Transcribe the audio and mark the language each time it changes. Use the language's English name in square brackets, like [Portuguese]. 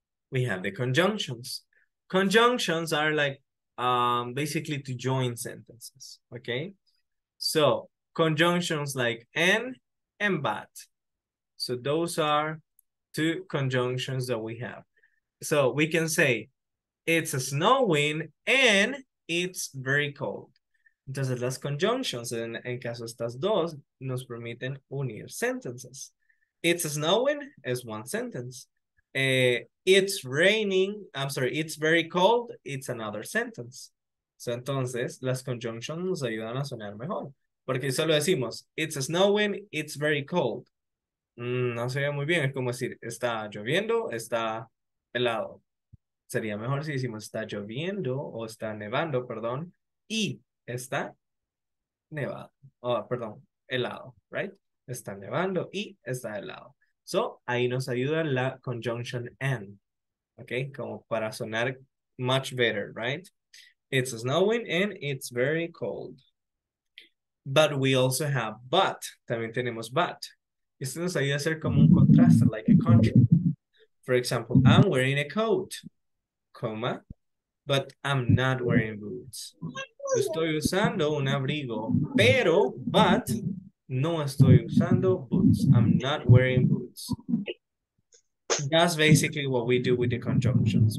[English] we have the conjunctions. Conjunctions are like basically to join sentences, okay? So conjunctions like and but. So those are two conjunctions that we have. So we can say it's snowing and it's very cold. [Spanish] Entonces las conjunctions en caso estas dos nos permiten unir sentences. [English] It's snowing is one sentence. It's raining, I'm sorry, it's very cold, it's another sentence. [Spanish] So entonces las conjunctions nos ayudan a sonar mejor. Porque solo decimos, [English] it's snowing, it's very cold. [Spanish] No se ve muy bien, es como decir, está lloviendo, está helado. Sería mejor si decimos, está lloviendo o está nevando, perdón, y está nevado. Oh, perdón, helado, right? Está nevando y está helado. So, ahí nos ayuda la conjunction and, okay? Como para sonar [English] much better, right? It's snowing and it's very cold. But we also have but. [Spanish] También tenemos but. Esto nos ayuda a hacer como un contraste, [English] like a contrast. For example, I'm wearing a coat, comma, but I'm not wearing boots. [Spanish] Estoy usando un abrigo, pero, but, no estoy usando boots. [English] I'm not wearing boots. That's basically what we do with the conjunctions.